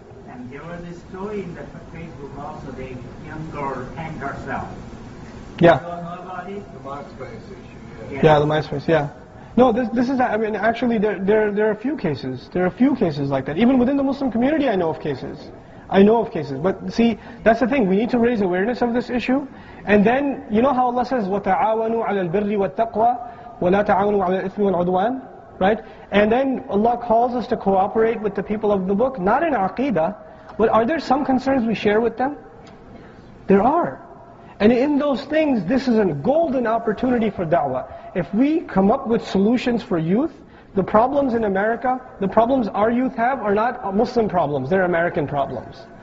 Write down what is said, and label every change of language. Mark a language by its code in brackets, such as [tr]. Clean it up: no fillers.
[en] And there was a story in the Facebook also, the young girl hanged herself. Yeah. Do you know about it? The MySpace issue, yeah. Yeah, the MySpace, yeah. No, this is, actually, there are a few cases. There are a few cases like that. Even within the Muslim community, I know of cases. But see, that's the thing. We need to raise awareness of this issue. And then, you know how Allah says, [ar] وَتَعَاوَنُوا عَلَى الْبِرِّ وَالتَّقْوَى وَلَا تَعَاوَنُوا عَلَى الْإِثْمِ وَالْعُدْوَانِ. [en] Right? And then Allah calls us to cooperate with the people of the book, not in aqidah, but are there some concerns we share with them? There are. And in those things, this is a golden opportunity for da'wah. If we come up with solutions for youth, the problems in America, the problems our youth have are not Muslim problems, they're American problems.